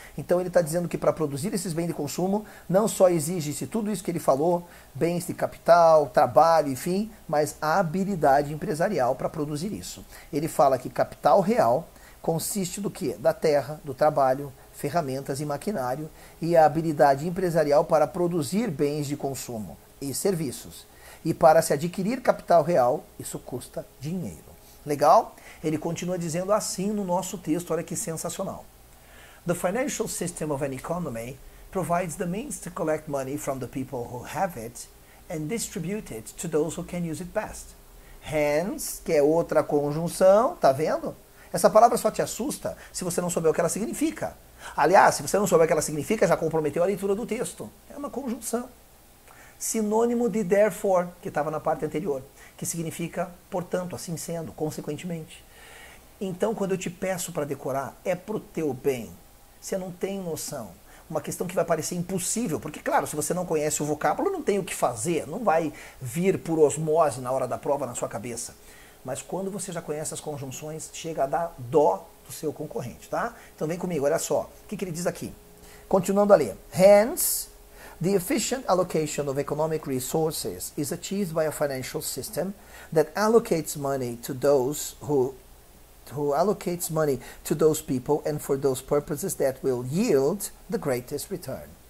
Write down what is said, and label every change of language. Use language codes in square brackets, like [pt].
[pt] Então ele está dizendo que para produzir esses bens de consumo, não só exige-se tudo isso que ele falou, bens de capital, trabalho, enfim, mas a habilidade empresarial para produzir isso. Ele fala que capital real consiste do quê? Da terra, do trabalho, ferramentas e maquinário e a habilidade empresarial para produzir bens de consumo e serviços. E para se adquirir capital real, isso custa dinheiro. Legal? Ele continua dizendo assim no nosso texto, olha que sensacional. [en] The financial system of an economy provides the means to collect money from the people who have it and distribute it to those who can use it best. [pt] Hence, que é outra conjunção, tá vendo? Essa palavra só te assusta se você não souber o que ela significa. Aliás, se você não souber o que ela significa, já comprometeu a leitura do texto. É uma conjunção. Sinônimo de therefore, que estava na parte anterior, que significa portanto, assim sendo, consequentemente. Então, quando eu te peço para decorar, é pro teu bem. Você não tem noção. Uma questão que vai parecer impossível, porque, claro, se você não conhece o vocábulo, não tem o que fazer, não vai vir por osmose na hora da prova na sua cabeça. Mas quando você já conhece as conjunções, chega a dar dó do seu concorrente, tá? Então vem comigo, olha só. O que ele diz aqui? Continuando ali. [en] Hence, the efficient allocation of economic resources is achieved by a financial system that allocates money to those people and for those purposes that will yield the greatest return.